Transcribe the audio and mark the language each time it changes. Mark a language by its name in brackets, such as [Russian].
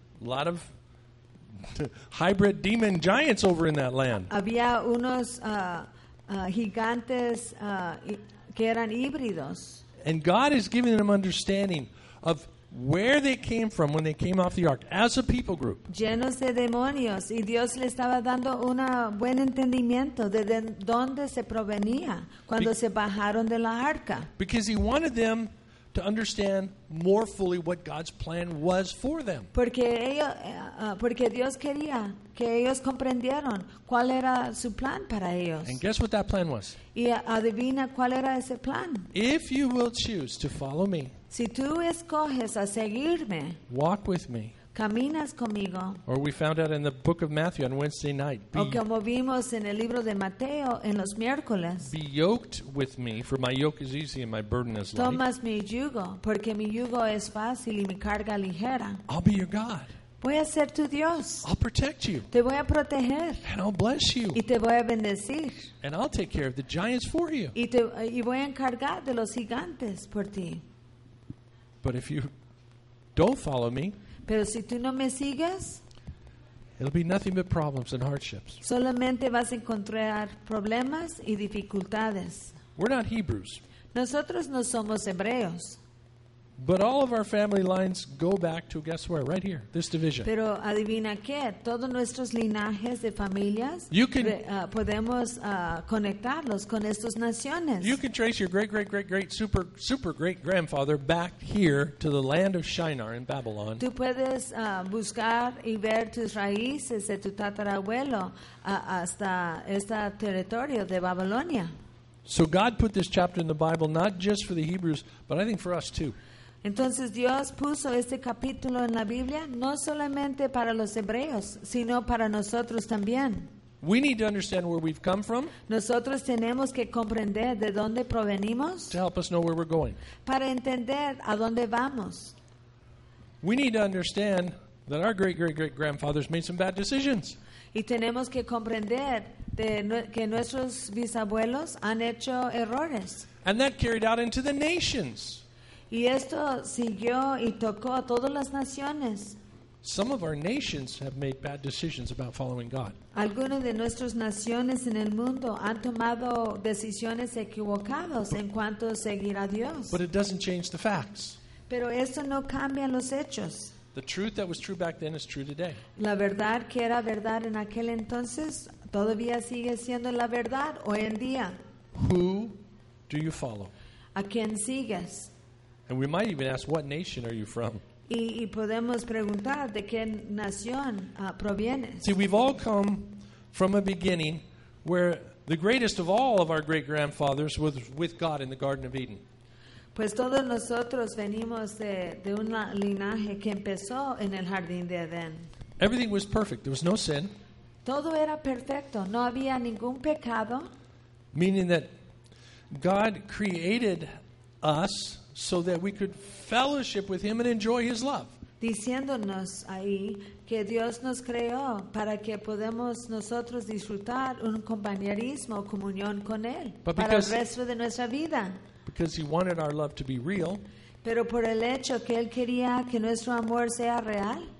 [English] A lot of hybrid demon giants over in that land. [Spanish] Había unos gigantes que eran híbridos. [English] And God is giving them understanding of where they came from when they came off the ark as a people group. [Spanish] Llenos de demonios, y Dios le estaba dando un buen entendimiento de dónde se provenía cuando se bajaron de la arca. [English] Because he wanted them to understand more fully what God's plan was for them. [Spanish] Porque Dios quería que ellos comprendieran cuál era su plan para ellos. [English] And guess what that plan was? [Spanish] Y adivina cuál era ese plan. [English] If you will choose to follow me, [Spanish] si tú escoges a seguirme, [English] walk with me, [Spanish] caminas conmigo, [English] or we found out in the book of Matthew on Wednesday night, [Spanish] o como vimos en el libro de Mateo en los miércoles, [English] be yoked with me, for my yoke is easy and my burden is light. [Spanish] Tomas mi yugo, porque mi yugo es fácil y mi carga ligera. [English] I'll be your God. [Spanish] Voy a ser tu Dios. [English] I'll protect you. [Spanish] Te voy a proteger. [English] And I'll bless you. [Spanish] Y te voy a bendecir. [English] And I'll take care of the giants for you. [Spanish] Y voy a encargar de los gigantes por ti. [English] But if you don't follow me, [Spanish] pero si tú no me sigues, [English] it'll be nothing but problems and hardships. [Spanish] Solamente vas a encontrar problemas y dificultades. [English] We're not Hebrews. [Spanish] Nosotros no somos hebreos. [English] But all of our family lines go back to, guess where? Right here, this division. [Spanish] Pero adivina qué, todos nuestros linajes de familias podemos conectarlos con estas naciones. [English] You can trace your great, great, great, great, super, super great grandfather back here to the land of Shinar in Babylon. [Spanish] Tú puedes buscar y ver tus raíces de tu tatarabuelo hasta este territorio de Babilonia. [English] So God put this chapter in the Bible not just for the Hebrews, but I think for us too. [Spanish] Entonces Dios puso este capítulo en la Biblia no solamente para los hebreos, sino para nosotros también. [English] We need to understand where we've come from. [Spanish] Nosotros tenemos que comprender de dónde provenimos. [English] To help us know where we're going. [Spanish] Para entender a dónde vamos. [English] We need to understand that our great-great-great-grandfathers made some bad decisions. [Spanish] Y tenemos que comprender que nuestros bisabuelos han hecho errores. [English] And that carried out into the nations. [Spanish] Y esto siguió y tocó a todas las naciones. [English] Some of our nations have made bad decisions about following God. [Spanish] Algunas de nuestras naciones en el mundo han tomado decisiones equivocadas en cuanto a seguir a Dios. [English] But it doesn't change the facts. [Spanish] Pero eso no cambia los hechos. [English] The truth that was true back then is true today. [Spanish] La verdad que era verdad en aquel entonces todavía sigue siendo la verdad hoy en día. [English] Who do you follow? [Spanish] ¿A quién sigues? [English] And we might even ask, what nation are you from? [Spanish] Y podemos preguntar, ¿de qué nación provienes? [English] See, we've all come from a beginning where the greatest of all of our great-grandfathers was with God in the Garden of Eden. [Spanish] Pues todos nosotros venimos de un linaje que empezó en el jardín de Edén. [English] Everything was perfect. There was no sin. [Spanish] Todo era perfecto. No había ningún pecado. [English] Meaning that God created us so that we could fellowship with Him and enjoy His love. [Spanish] Diciéndonos ahí que Dios nos creó para que podamos nosotros disfrutar un compañerismo, comunión con Él para el resto de nuestra vida. [English] Because He wanted our love to be real. [Spanish] Pero por el hecho que Él quería que nuestro amor sea real.